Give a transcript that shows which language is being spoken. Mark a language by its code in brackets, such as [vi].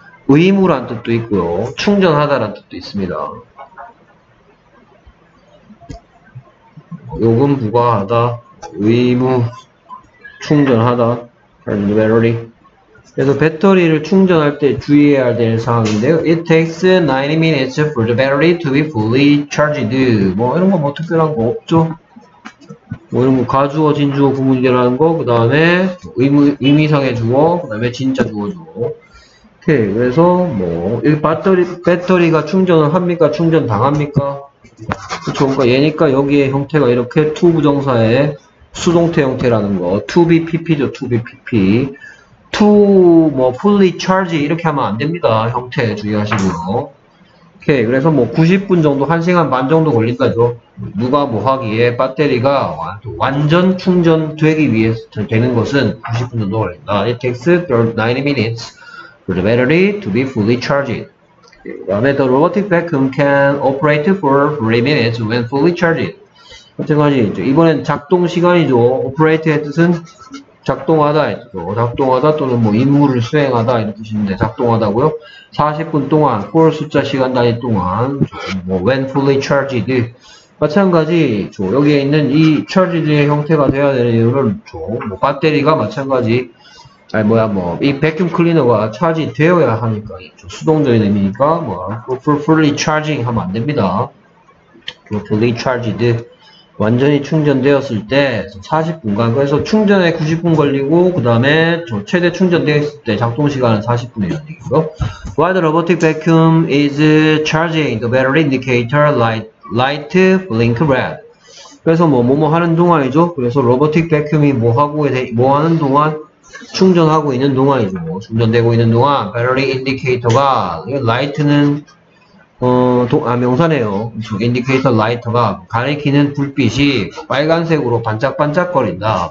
[ko] 의무라는 뜻도 있고요. 충전하다라는 뜻도 있습니다. 요금 부과하다, 의무 충전하다. [en] charge the battery. [ko] 그래서 배터리를 충전할 때 주의해야 될 사항인데요. [en] It takes 90 minutes for the battery to be fully charged. [ko] 뭐 이런 거뭐 특별한 거 없죠? 뭐 이런 거 가주어, 진주어, 부분이라는 거, 그 다음에 의미상의 주어, 그 다음에 진짜 주어 주어. 오케이. 그래서 뭐, 이 배터리가 충전을 합니까? 충전 당합니까? 그쵸. 그러니까 얘니까 여기에 형태가 이렇게 to 부정사의 수동태 형태라는 거. [en] to be pp죠. to be pp. to 뭐 fully charge [ko] 이렇게 하면 안 됩니다. 형태 주의하시고요. 오케이. 그래서 뭐 90분 정도, 1시간 반 정도 걸린다죠. 누가 뭐 하기에 배터리가 완전 충전되기 위해서 되는 것은 90분 정도 걸린다. [en] It takes 90 minutes for the battery to be fully charged. [ko] 그다음에 [en] the robotic vacuum can operate for 3 minutes when fully charged. [ko] 마찬가지 이번엔 작동 시간이죠. operate의 뜻은 작동하다, 작동하다 또는 뭐 임무를 수행하다 이런 뜻인데 작동하다고요. 40분 동안, for 숫자 시간 단위 동안, 뭐 [en] when fully charged. [ko] 마찬가지 여기에 있는 이 charged의 형태가 되어야 되는 이유는 뭐 배터리가 마찬가지. 아니 뭐야 뭐이 vacuum cleaner가 charge 되어야 하니까 수동적인 의미니까 뭐 [en] for fully charging [ko] 하면 안 됩니다. [en] fully charged. [ko] 완전히 충전되었을 때 40분간, 그래서 충전에 90분 걸리고 그 다음에 최대 충전되었을 때 작동 시간은 40분이라는 얘기고요. [en] While the robotic vacuum is charging, the battery indicator light blink red. [ko] 그래서 뭐뭐뭐 하는 동안이죠. 그래서 로보틱 vacuum이 뭐 하는 동안 충전하고 있는 동안이죠. 충전되고 있는 동안 battery indicator가 light는 명사네요. 인디케이터 라이터가 가리키는 불빛이 빨간색으로 반짝반짝거린다.